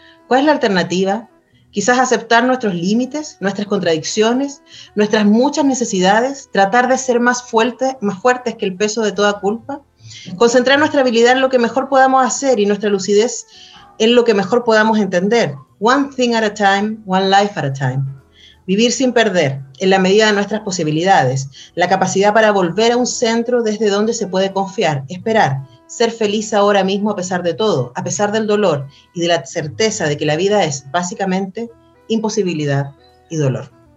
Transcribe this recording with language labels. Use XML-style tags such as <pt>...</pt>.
<es>¿Cuál es la alternativa? Quizás aceptar nuestros límites, nuestras contradicciones, nuestras muchas necesidades, tratar de ser más fuertes que el peso de toda culpa, concentrar nuestra habilidad en lo que mejor podamos hacer y nuestra lucidez en lo que mejor podamos entender.</es> <en>One thing at a time, one life at a time.</en> <es>Vivir sin perder, en la medida de nuestras posibilidades, la capacidad para volver a un centro desde donde se puede confiar, esperar, ser feliz ahora mismo a pesar de todo, a pesar del dolor y de la certeza de que la vida es básicamente imposibilidad y dolor.</es>